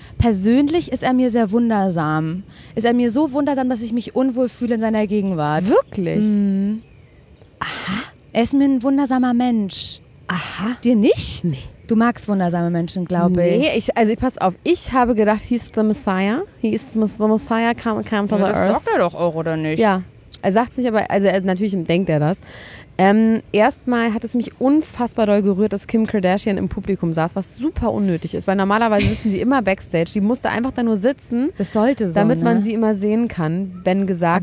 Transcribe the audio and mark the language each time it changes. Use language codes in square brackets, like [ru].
[de] Persönlich ist er mir sehr wundersam. Ist er mir so wundersam, dass ich mich unwohl fühle in seiner Gegenwart. Wirklich? Mhm. Aha. Er ist mir ein wundersamer Mensch. Aha. Dir nicht? Nee. Du magst wundersame Menschen, glaube ich. Nee, pass auf. Ich habe gedacht, [en] he's the Messiah. He is the Messiah, came from the earth. [de] Das sagt er doch auch, oder nicht? Ja. Er sagt es nicht, aber also natürlich denkt er das. Erstmal hat es mich unfassbar doll gerührt, dass Kim Kardashian im Publikum saß, was super unnötig ist, weil normalerweise sitzen sie immer Backstage. Die musste einfach da nur sitzen, das sollte so, damit, ne, man sie immer sehen kann, wenn gesagt